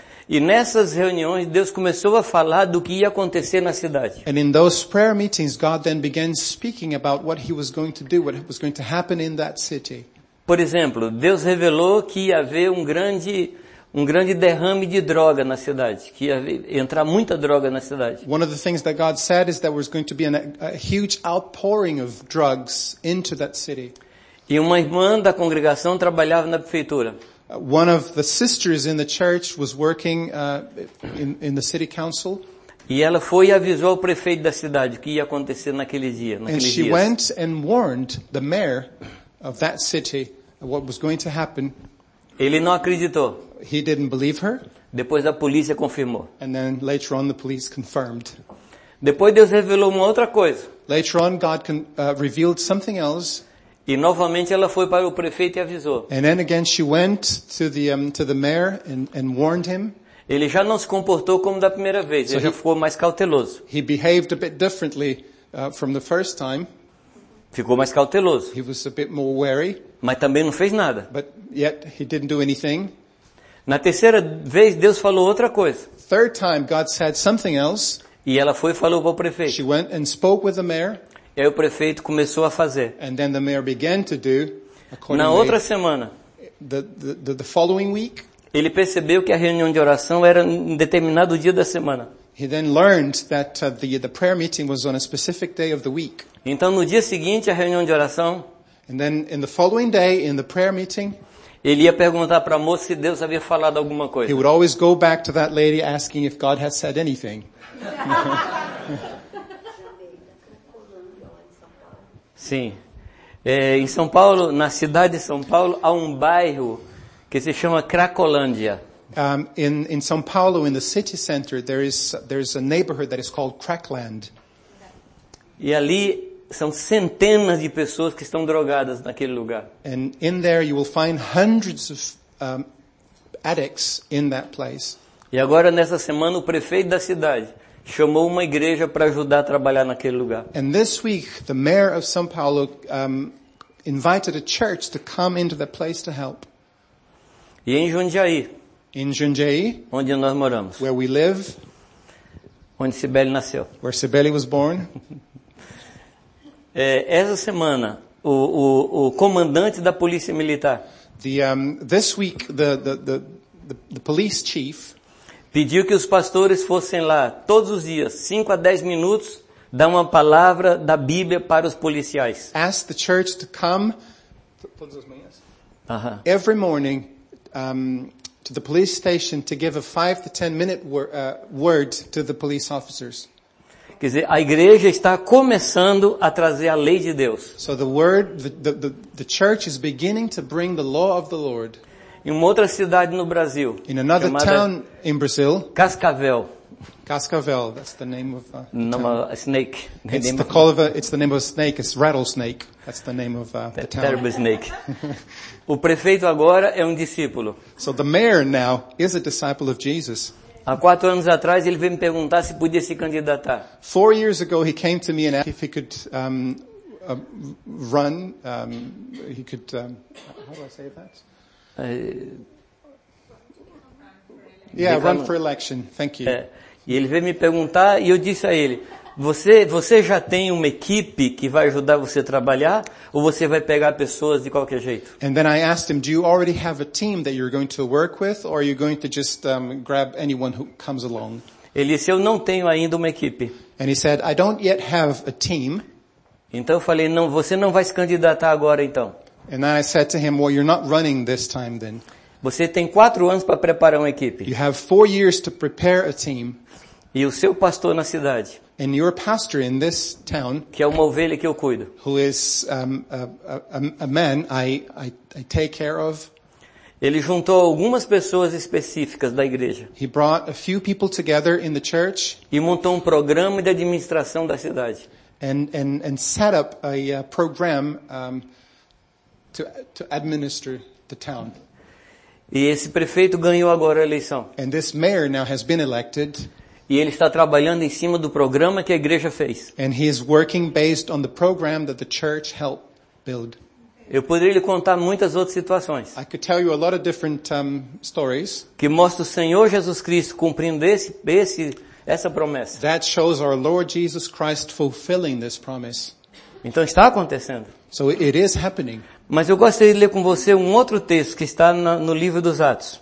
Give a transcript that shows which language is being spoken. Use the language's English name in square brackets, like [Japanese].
[Portuguese] E nessas reuniões Deus começou a falar do que ia acontecer na cidade. [English] And in those prayer meetings God then began speaking about what he was going to do, what was going to happen in that city. [Portuguese] Por exemplo, Deus revelou que ia haver um grande derrame de droga na cidade, que ia entrar muita droga na cidade. [English] One of the things that God said is that there was going to be a huge outpouring of drugs into that city. [Portuguese] E uma irmã da congregação trabalhava na prefeitura. [English] One of the sisters in the church was working in the city council. [Portuguese] E ela foi e avisou o prefeito da cidade o que ia acontecer naquele dia, [English] And she went and warned the mayor of that city what was going to happen. [Portuguese] Ele não acreditou. [English] He didn't believe her. [Portuguese] Depois a polícia confirmou. [English] And then later on the police confirmed. [Portuguese] Depois Deus revelou uma outra coisa. [English] Later on God revealed something else. [Portuguese] E novamente ela foi para o prefeito e avisou. [English] And then again she went to the mayor and warned him. [Portuguese] Ele já não se comportou como da primeira vez, ele já ficou mais cauteloso. [English] He behaved a bit differently from the first time. [Portuguese] Ficou mais cauteloso. [English] He was a bit more wary. [Portuguese] Mas também não fez nada. [English] But yet he didn't do anything. [Portuguese] Na terceira vez Deus falou outra coisa. [English] Third time God said something else. [Portuguese] E ela foi e falou para o prefeito. [English] She went and spoke with the mayor. [Portuguese] E aí o prefeito começou a fazer. [English] And then the mayor began to do. [Portuguese] Na outra semana. [English] The following week. [Portuguese] Ele percebeu que a reunião de oração era em determinado dia da semana. [English] He then learned that the prayer meeting was on a specific day of the week. [Portuguese] Então no dia seguinte à reunião de oração, [English] and then in the following day in the prayer meeting, [Portuguese] ele ia perguntar para a moça se Deus havia falado alguma coisa. [English] He would always go back to that lady asking if God had said anything. [Portuguese] Sim. Em São Paulo, na cidade de São Paulo, há um bairro que se chama Cracolândia. [English] In São Paulo, in the city center, there is a neighborhood that is called Crackland. [Portuguese] E ali são centenas de pessoas que estão drogadas naquele lugar. [English] And in there you will find hundreds of addicts in that place. [Portuguese] E agora nessa semana o prefeito da cidade chamou uma igreja para ajudar a trabalhar naquele lugar. [English] And this week the mayor of São Paulo invited a church to come into that place to help. [Portuguese] E em Jundiaí. [English] In Jundiaí. [Portuguese] Onde nós moramos. [English] Where we live. [Portuguese] Onde Cibele nasceu. [English] Where Cibele was born. [Portuguese] Essa semana, o comandante da polícia militar. [English] This week, the police chief. [Portuguese] Pediu que os pastores fossem lá todos os dias, 5 a 10 minutos, dar uma palavra da Bíblia para os policiais. [English] Ask the church to come [Portuguese] todas as manhãs. [English] Every morning to the police station to give a 5 to 10 minute word to the police officers. [Portuguese] Quer dizer, a igreja está começando a trazer a lei de Deus. [English] So the word the church is beginning to bring the law of the Lord. [Portuguese] Em uma outra cidade no Brasil. [English] In another town in Brazil. [Portuguese] Cascavel. [English] Cascavel, that's the name of a snake. It's the name of a snake, it's rattlesnake. That's the name of the town. Terrible snake. [Portuguese] O prefeito agora é um discípulo. [English] So the mayor now is a disciple of Jesus. [Portuguese] Há 4 anos atrás ele veio me perguntar se podia se candidatar. [English] 4 years ago he came to me and asked if he could run he could how do I say that? Run for election. Thank you. [Portuguese] E ele veio me perguntar e eu disse a ele: você já tem uma equipe que vai ajudar você a trabalhar ou você vai pegar pessoas de qualquer jeito? [English] And then I asked him, do you already have a team that you're going to work with or are you going to just grab anyone who comes along? [Portuguese] Ele disse: eu não tenho ainda uma equipe. [English] And he said, I don't yet have a team. [Portuguese] Então eu falei: não, você não vai se candidatar agora então. [English] And then I said to him, well, you're not running this time then. [Portuguese] Você tem 4 anos para preparar uma equipe. [English] You have 4 years to prepare a team. [Portuguese] E o seu pastor na cidade. [English] And your pastor in this town. [Portuguese] Que é uma ovelha que eu cuido. [English] Who is a man I take care of. [Portuguese] Ele juntou algumas pessoas específicas da igreja. [English] He brought a few people together in the church. [Portuguese] E montou um programa de administração da cidade. [English] And set up a program to administer the town. [Portuguese] E esse prefeito ganhou agora a eleição. [English] And this mayor now has been elected. [Portuguese] E ele está trabalhando em cima do programa que a igreja fez. [English] And he is working based on the program that the church helped build. [Portuguese] Eu poderia lhe contar muitas outras situações. [English] I could tell you a lot of different stories. [Portuguese] Que mostra o Senhor Jesus Cristo cumprindo essa promessa. [English] That shows our Lord Jesus Christ fulfilling this promise. [Portuguese] Então está acontecendo. [English] So it is happening. [Portuguese] Mas eu gostaria de ler com você um outro texto que está no livro dos Atos.